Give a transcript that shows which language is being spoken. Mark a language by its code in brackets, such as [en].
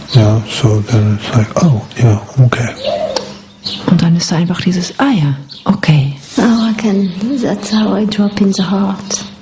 [en] Yeah, so then it's like, oh, yeah, okay. [de] Und dann ist da einfach dieses, ah ja, okay. [en] Oh, I can, that's how I drop in the heart.